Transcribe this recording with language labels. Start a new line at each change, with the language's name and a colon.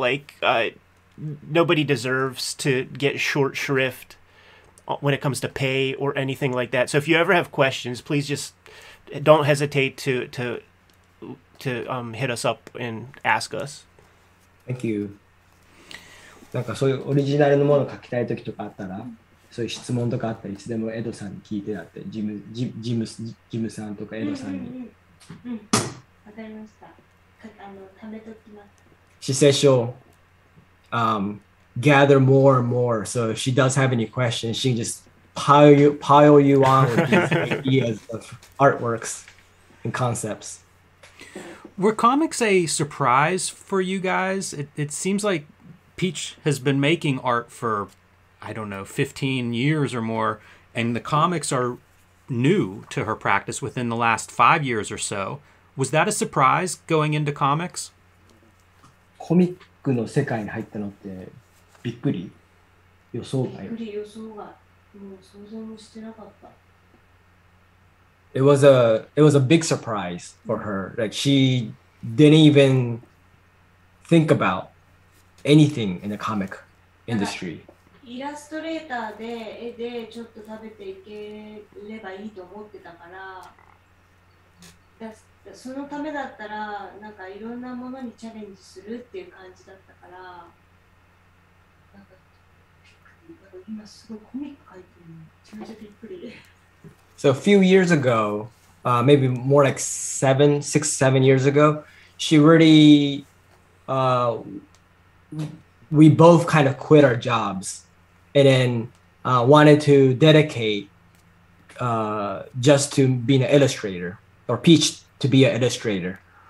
English: Like, nobody deserves to get short shrift when it comes to pay or anything like that. So if you ever have questions, please just don't hesitate to hit us up and ask us. Thank you.
Japanese: なんかそういうオリジナルのものを書きたい時とかあったら、そういう質問とかあったらいつでもエドさんに聞いてだって、ジムさんとかエドさんに。うん、わかりました。ためときます。
English: She says she'll gather more and more. So if she does have any questions, she can just pile you on with these ideas of artworks and concepts. Were comics a surprise for you guys? It seems like Peach has been making art for, I don't know, 15 years or more, and the comics are new to her practice within the last 5 years or so. Was that a surprise going into comics?
Japanese: コミックの世界に入ったのってびっくり。予想外。びっくり、予想外。もう想像もしてなかった。
English: It was a big surprise for her. Like, she didn't even think about anything in the comic industry.
Japanese: イラストレーターで絵でちょっと食べていければいいと思ってたから、そのためだったらなんかいろんなものにチャレンジするっていう感じだったから、なんか今すごいコミック描いてるの、めちゃめちゃびっくり。
English: So a few years ago, maybe more like six, seven years ago, she really, we both kind of quit our jobs and then wanted to dedicate just to being an illustrator, or Peach to be an illustrator.